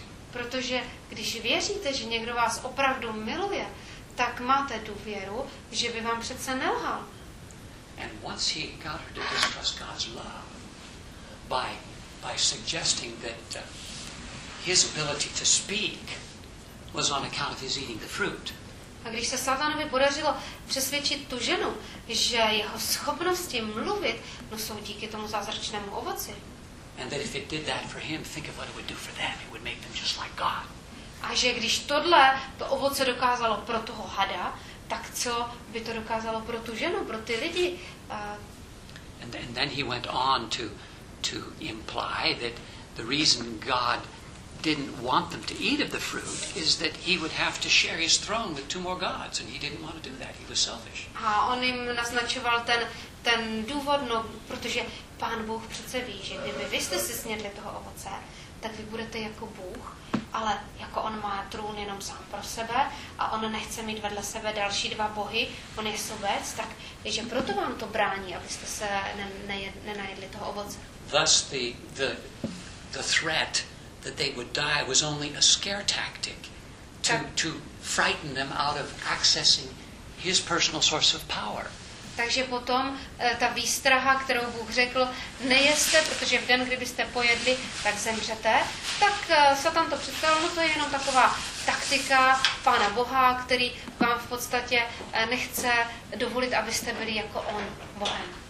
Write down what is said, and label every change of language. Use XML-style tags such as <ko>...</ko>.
<cs>Protože když věříte, že někdo vás opravdu miluje, tak máte tu věru, že by vám přece nelhal.</cs> <en>And once he got her to distrust God's love by suggesting that his ability to speak was on account of his eating the fruit.</en> <cs>A když se Satanovi podařilo přesvědčit tu ženu, že jeho schopnosti mluvit no jsou díky tomu zázračnému ovoci.</cs> <en>And that if it did that for him, think of what it would do for them. It would make them just like God.</en> <cs>A že když tohle to ovoce dokázalo pro toho hada, tak co by to dokázalo pro tu ženu, pro ty lidi?</cs> <en>And then he went on to imply that the reason God didn't want them to eat of the fruit is that he would have to share his throne with two more gods, and he didn't want to do that. He was selfish.</en> <cs>A on jim naznačoval ten důvod, no, protože Pán Bůh přece ví, že kdyby vy jste si snědli toho ovoce, tak vy budete jako Bůh, ale jako on má trůn jenom sám pro sebe a on nechce mít vedle sebe další dva bohy, on je sobec, tak že proto vám to brání, abyste se nenajedli toho ovoce.</cs> <en>Thus the threat that they would die was only a scare tactic to frighten them out of accessing his personal source of power.</en> <cs>Takže potom ta výstraha, kterou Bůh řekl, nejeste, protože v den, kdybyste pojedli, tak zemřete, tak Satan to představil, no to je jenom taková taktika Pána Boha, který vám v podstatě nechce dovolit, abyste byli jako on, Bohem.</cs>